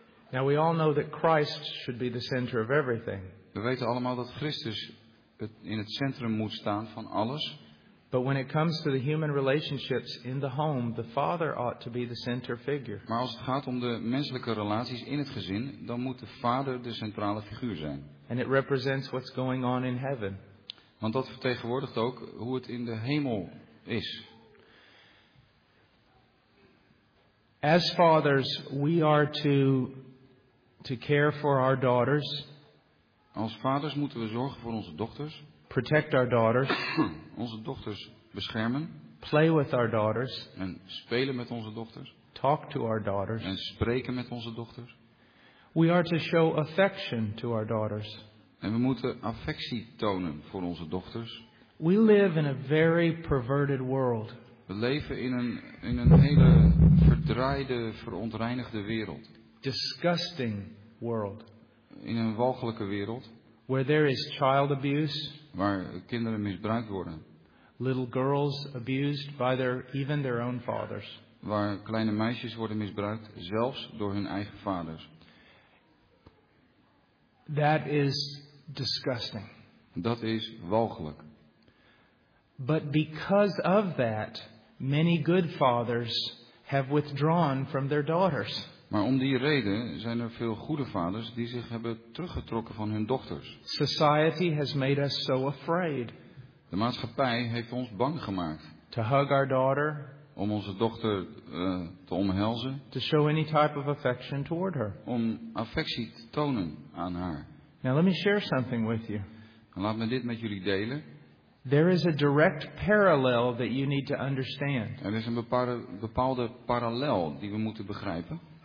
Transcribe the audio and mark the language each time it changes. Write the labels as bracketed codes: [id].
[en] Now we all know that Christ should be the center of everything. [nl] We weten allemaal dat Christus in het centrum moet staan van alles. [en] But when it comes to the human relationships in the home, the father ought to be the center figure. [nl] Maar als het gaat om de menselijke relaties in het gezin, dan moet de vader de centrale figuur zijn. [en] And it represents what's going on in heaven. [nl] Want dat vertegenwoordigt ook hoe het in de hemel is. [en] As fathers, we are to care for our daughters. [nl] Als vaders moeten we zorgen voor onze dochters. [en] Protect our daughters. [nl] Onze dochters beschermen. [en] Play with our daughters. [nl] En spelen met onze dochters. [en] Talk to our daughters. [nl] En spreken met onze dochters. [en] We are to show affection to our daughters. [nl] En we moeten affectie tonen voor onze dochters. [en] We live in a very perverted world. [nl] We leven in een hele verdraaide, verontreinigde wereld. [en] Disgusting world. [nl] In een walgelijke wereld. [en] Where there is child abuse. [nl] Waar kinderen misbruikt worden. [en] Little girls abused by even their own fathers. [nl] Waar kleine meisjes worden misbruikt, zelfs door hun eigen vaders. [en] That is disgusting. [nl] Dat is walgelijk. [en] But because of that, many good fathers have withdrawn from their daughters. [nl] Maar om die reden zijn er veel goede vaders die zich hebben teruggetrokken van hun dochters. [en] Society has made us so afraid. [nl] De maatschappij heeft ons bang gemaakt. [en] To hug our daughter. [nl] Om onze dochter te omhelzen. [en] To show any type of affection toward her. [nl] Om affectie te tonen aan haar. [en] Now let me share something with you. [nl] Laat me dit met jullie delen. [en] There is a direct parallel that you need to understand. [nl] Er is een bepaalde parallel die we moeten begrijpen.